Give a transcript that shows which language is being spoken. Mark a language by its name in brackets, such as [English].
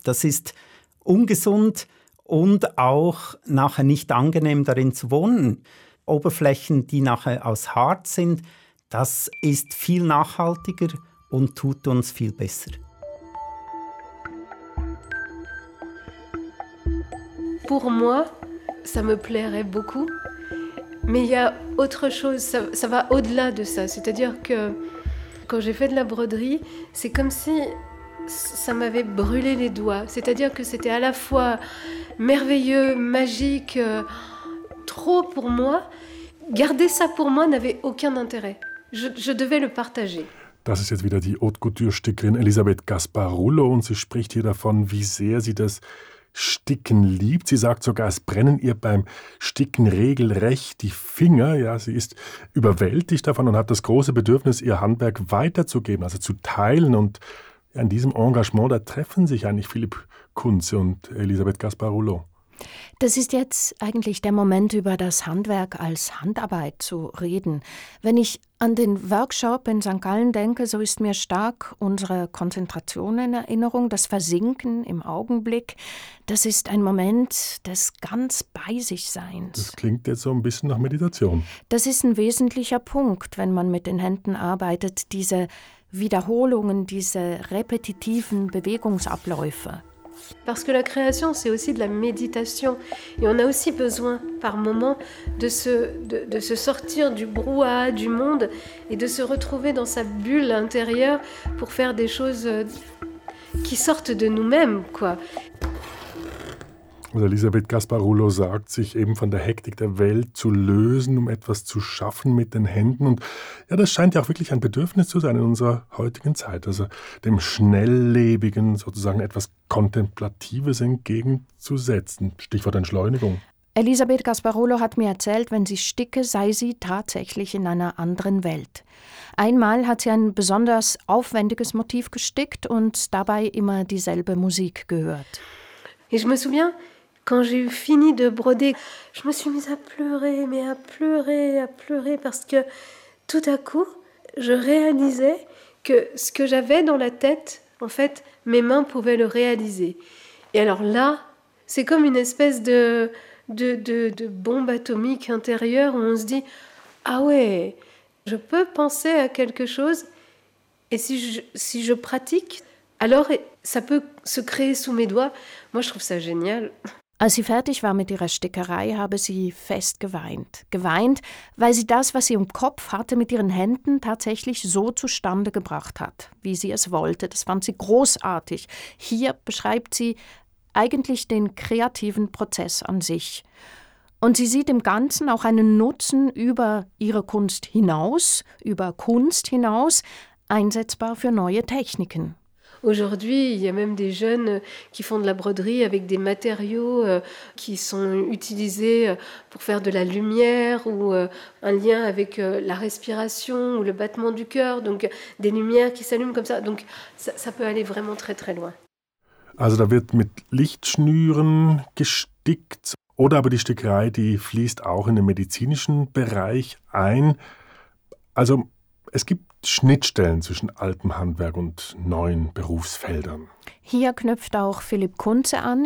[German] Das ist ungesund und auch nachher nicht angenehm, darin zu wohnen. Oberflächen, die nachher aus Harz sind, das ist viel nachhaltiger und tut uns viel besser. [French] Pour moi, ça me plairait beaucoup, mais il y a autre chose, ça va au-delà de ça. C'est-à-dire que quand j'ai fait de la broderie, c'est comme si ça m'avait brûlé les doigts. C'est-à-dire que c'était à la fois merveilleux, magique, trop pour moi. Garder ça pour moi n'avait aucun intérêt. Je devais le partager. [German] Das ist jetzt wieder die Haute Couture-Stickerin Elisabeth Gasparullo und sie spricht hier davon, wie sehr sie das Sticken liebt. Sie sagt sogar, es brennen ihr beim Sticken regelrecht die Finger. Ja, sie ist überwältigt davon und hat das große Bedürfnis, ihr Handwerk weiterzugeben, also zu teilen. Und in diesem Engagement, da treffen sich eigentlich Philipp Kunze und Elisabeth Gasparullo. Das ist jetzt eigentlich der Moment, über das Handwerk als Handarbeit zu reden. Wenn ich an den Workshop in St. Gallen denke, so ist mir stark unsere Konzentration in Erinnerung, das Versinken im Augenblick. Das ist ein Moment des ganz Bei-sich-Seins. Das klingt jetzt so ein bisschen nach Meditation. Das ist ein wesentlicher Punkt, wenn man mit den Händen arbeitet, diese Wiederholungen, diese repetitiven Bewegungsabläufe. [French] Parce que la création, c'est aussi de la méditation. Et on a aussi besoin, par moments, de se sortir du brouhaha du monde et de se retrouver dans sa bulle intérieure pour faire des choses qui sortent de nous-mêmes, quoi. [German] Und Elisabeth Gasparullo sagt, sich eben von der Hektik der Welt zu lösen, um etwas zu schaffen mit den Händen. Und ja, das scheint ja auch wirklich ein Bedürfnis zu sein in unserer heutigen Zeit. Also dem Schnelllebigen sozusagen etwas Kontemplatives entgegenzusetzen. Stichwort Entschleunigung. Elisabeth Gasparullo hat mir erzählt, wenn sie sticke, sei sie tatsächlich in einer anderen Welt. Einmal hat sie ein besonders aufwendiges Motiv gestickt und dabei immer dieselbe Musik gehört. [French] Et je me souviens, quand j'ai fini de broder, je me suis mise à pleurer, mais à pleurer, parce que tout à coup, je réalisais que ce que j'avais dans la tête, en fait, mes mains pouvaient le réaliser. Et alors là, c'est comme une espèce de bombe atomique intérieure où on se dit, ah ouais, je peux penser à quelque chose, et si je pratique, alors ça peut se créer sous mes doigts. Moi, je trouve ça génial. [German] Als sie fertig war mit ihrer Stickerei, habe sie fest geweint. Geweint, weil sie das, was sie im Kopf hatte, mit ihren Händen tatsächlich so zustande gebracht hat, wie sie es wollte. Das fand sie großartig. Hier beschreibt sie eigentlich den kreativen Prozess an sich. Und sie sieht im Ganzen auch einen Nutzen über ihre Kunst hinaus, über Kunst hinaus, einsetzbar für neue Techniken. [French] Aujourd'hui, il y a même des jeunes qui font de la broderie avec des matériaux qui sont utilisés pour faire de la lumière ou un lien avec la respiration ou le battement du cœur, donc des lumières qui s'allument comme ça. Donc ça peut aller vraiment très très loin. [German] Also da wird mit Lichtschnüren gestickt oder aber die Stickerei, die fließt auch in den medizinischen Bereich ein. Also es gibt Schnittstellen zwischen altem Handwerk und neuen Berufsfeldern. Hier knüpft auch Philipp Kunze an.